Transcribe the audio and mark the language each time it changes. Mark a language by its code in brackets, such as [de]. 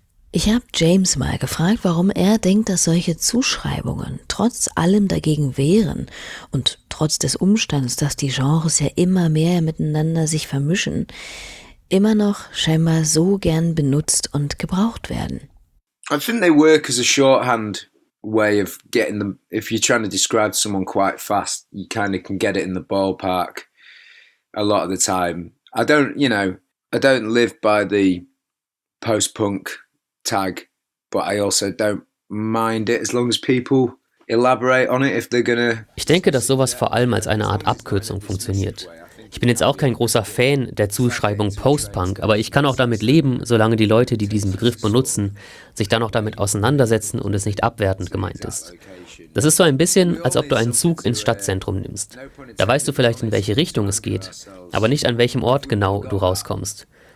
[de] Ich habe James mal gefragt, warum er denkt, dass solche Zuschreibungen trotz allem dagegen wehren und trotz des Umstands, dass die Genres ja immer mehr miteinander sich vermischen, immer noch scheinbar so gern benutzt und gebraucht werden. [en] I think they work as a shorthand way of getting them. If you're trying to describe someone quite fast, you kind of can get it in the ballpark a lot of the time. I don't live by the post-punk tag, but I also don't mind it as long as people elaborate on it if they're gonna. [de] Ich denke, dass sowas vor allem als eine Art Abkürzung funktioniert. Ich bin jetzt auch kein großer Fan der Zuschreibung Postpunk, aber ich kann auch damit leben, solange die Leute, die diesen Begriff benutzen, sich dann auch damit auseinandersetzen und es nicht abwertend gemeint ist. Das ist so ein bisschen, als ob du einen Zug ins Stadtzentrum nimmst. Da weißt du vielleicht, in welche Richtung es geht, aber nicht an welchem Ort genau du rauskommst.